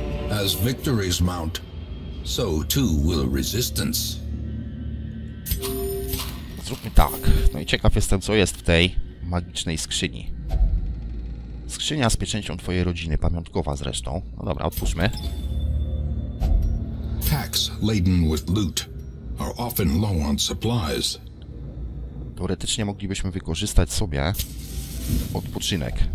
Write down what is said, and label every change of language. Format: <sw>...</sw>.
<en>As victories mount. So too will resistance.</en> <pl>Zróbmy tak. No i ciekaw jestem, co jest w tej magicznej skrzyni. Skrzynia z pieczęcią twojej rodziny, pamiątkowa zresztą. No dobra, otwórzmy.</pl> <en>Packs laden with loot are often low on supplies.</en> <pl>Teoretycznie moglibyśmy wykorzystać sobie odpoczynek.</pl>